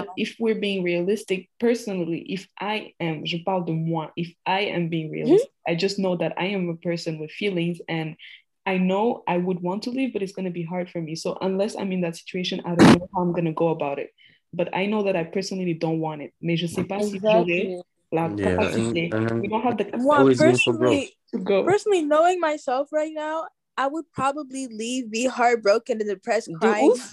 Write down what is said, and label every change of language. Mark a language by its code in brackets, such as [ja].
[en] That if we're being realistic, personally, if I am, [fr] je parle de moi, [en] if I am being realistic, mm-hmm. I just know that I am a person with feelings and I know I would want to leave, but it's going to be hard for me. So unless I'm in that situation, I don't know how I'm going to go about it. But I know that I personally don't want it. [fr] Mais je sais pas si je vais la capacité. [en] We don't have the capacity to go. Personally, knowing myself right now, I would probably leave, be heartbroken and depressed, crying.